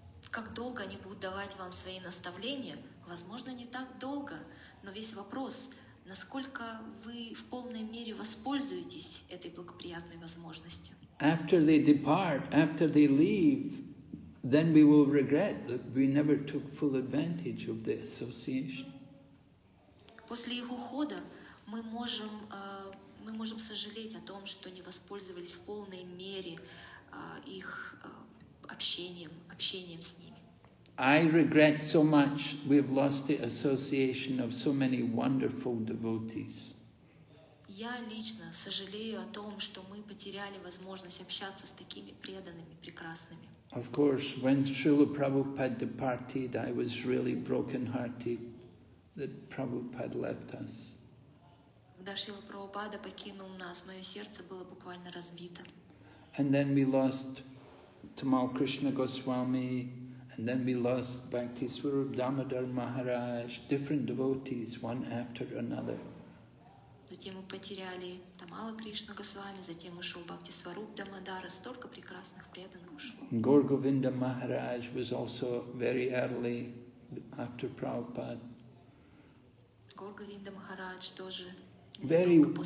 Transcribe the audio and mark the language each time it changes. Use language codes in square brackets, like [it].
[ru] Как долго они будут давать вам свои наставления? Возможно, не так долго, но весь вопрос, насколько вы в полной мере воспользуетесь этой благоприятной возможностью? [en] After they depart, after they leave, then we will regret that we never took full advantage of the association. [ru] После их ухода мы можем... Мы можем сожалеть о том, что не воспользовались в полной мере их общением с ними. [en] I regret so much we've lost the association of so many wonderful devotees. [ru] Я лично сожалею о том, что мы потеряли возможность общаться с такими преданными, прекрасными. [en] Of course, when Srila Prabhupada departed, I was really broken-hearted that Prabhupada left us. [ru] Когда Шрила Прабхупада покинул нас, мое сердце было буквально разбито. [en] And then we lost Tamal Krishna Goswami, and then we lost Bhakti Swarup Damodar Maharaj, different devotees, one after another. [ru] Затем мы потеряли Тамала Кришна Госвами, затем ушел Бхакти Сваруп Дамодара, столько прекрасных преданных ушло. [en] Гор Говинда Махарадж was also very early after Prabhupada. [ru] Гор Говинда Махарадж тоже [en] Very,